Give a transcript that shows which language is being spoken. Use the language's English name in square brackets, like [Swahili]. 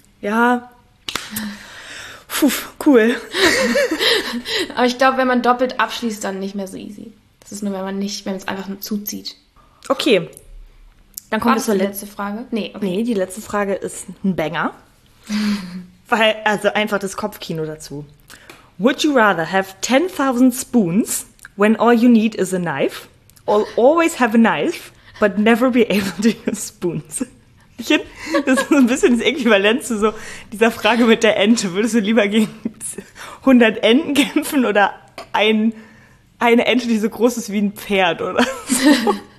[German] Ja. Puh, cool. Aber ich glaube, wenn man doppelt abschließt, dann nicht mehr so easy. Das ist nur, wenn man es einfach nur zuzieht. Okay. Dann kommt die letzte Frage. Nee, okay. Nee, die letzte Frage ist ein Banger. Weil, also einfach das Kopfkino dazu. [English] Would you rather have 10,000 spoons when all you need is a knife or always have a knife but never be able to use spoons? [German] Das ist ein bisschen das Äquivalent zu so dieser Frage mit der Ente. Würdest du lieber gegen 100 Enten kämpfen oder eine Ente, die so groß ist wie ein Pferd oder so?